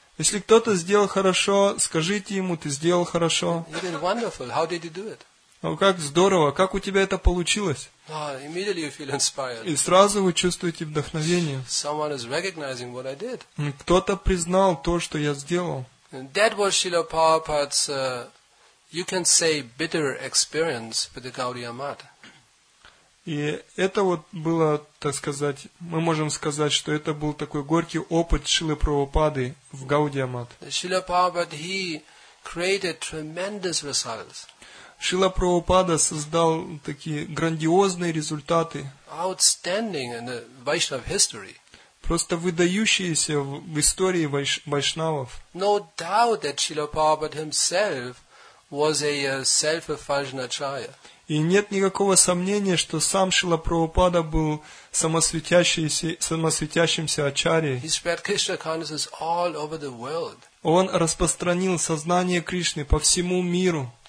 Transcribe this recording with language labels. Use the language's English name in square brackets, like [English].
[Russian] Если кто-то сделал хорошо, скажите ему, ты сделал хорошо. [English] You did wonderful. How did you do it? [Russian] Ну как здорово, как у тебя это получилось? [English] Oh, immediately you feel inspired. [Russian] И сразу вы чувствуете вдохновение. [English] Someone is recognizing what I did. [Russian] Кто-то признал то, что я сделал. [English] And that was Srila Prabhupada's you can say bitter experience with the Gaudiya Math. [Russian] И это вот было, так сказать, мы можем сказать, что это был такой горький опыт Шрилы Прабхупады в Гаудия Матх. [English] Шрила Прабхупада, he created tremendous results. [Russian] Шрила Прабхупада создал такие грандиозные результаты. [English] Outstanding in the Vaishnav history. [Russian] Просто выдающиеся в истории вайшнавов. [English] No doubt that Шрила Прабхупада himself was a self-effulgent acharya. [Russian] И нет никакого сомнения, что сам Шрила Прабхупада был самосветящимся ачарьей. [English] He spread Krishna consciousness all over the world. [Russian] Он распространил сознание Кришны по всему миру.